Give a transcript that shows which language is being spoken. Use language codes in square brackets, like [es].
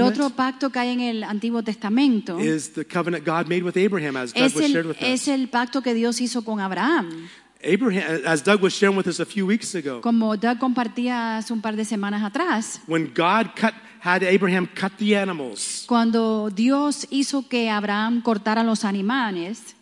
[es] El otro pacto que hay en el Antiguo Testamento [en] is the covenant God made with Abraham, as Doug was shared with us. [es] Es el pacto que Dios hizo con Abraham. [en] Abraham, as Doug was sharing with us a few weeks ago, [es] como Doug compartía hace un par de semanas atrás, [en] when God had Abraham cut the animals, [es] cuando Dios hizo que Abraham cortara los animales,